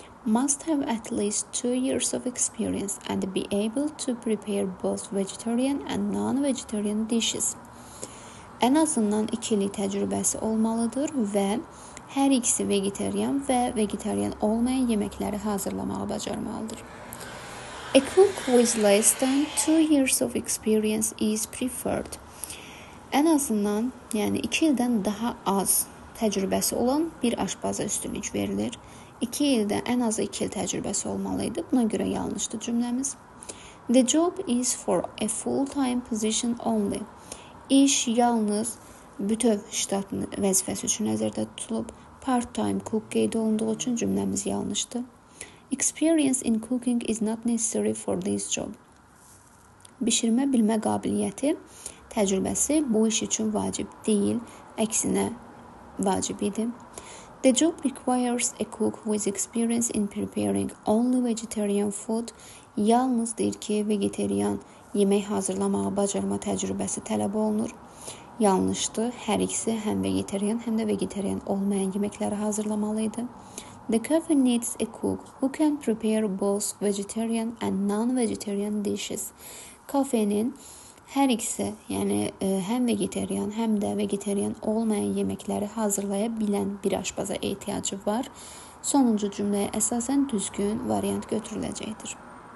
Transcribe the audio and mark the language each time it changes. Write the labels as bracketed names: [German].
[English] Must have at least 2 years of experience and be able to prepare both vegetarian and non-vegetarian dishes. [Azerbaijani] En azından ikili təcrübəsi olmalıdır və hər ikisi vegetarian və vegetarian olmayan yeməkləri hazırlamağı bacarmalıdır. [English] A cook with less than 2 years of experience is preferred. [Azerbaijani] En azından, yəni 2 ildən daha az təcrübəsi olan bir aşbaza üstünlük verilir. 2 ildən en az 2 il təcrübəsi olmalıydı. Buna görə yanlışdır cümləmiz. [English] The job is for a full-time position only. [Azerbaijani] İş yalnız bütöv ştatın vəzifəsi üçün nəzərdə tutulub. [English] Part-time cook [Azerbaijani] qeyd olunduğu üçün cümləmiz yanlışdır. [English] Experience in cooking is not necessary for this job. [Azerbaijani] Bişirmə bilmə qabiliyyəti, təcrübəsi bu iş üçün vacib deyil, əksinə vacib idi. [English] The job requires a cook with experience in preparing only vegetarian food. [Azerbaijani] Yalnız deyir ki, vegetarian yemək hazırlamağı bacarma təcrübəsi tələb olunur. Yanlışdır, hər ikisi həm vegetarian, həm də vegetarian olmayan yeməkləri hazırlamalıydı. [English] The cafe needs a cook who can prepare both vegetarian and non-vegetarian dishes. [Azerbaijani] Kafenin hər ikisi, yəni həm vegetarian, həm də vegetarian olmayan yeməkləri hazırlaya bilən bir aşbaza ehtiyacı var. Sonuncu cümləyə əsasən düzgün variant götürüləcəkdir.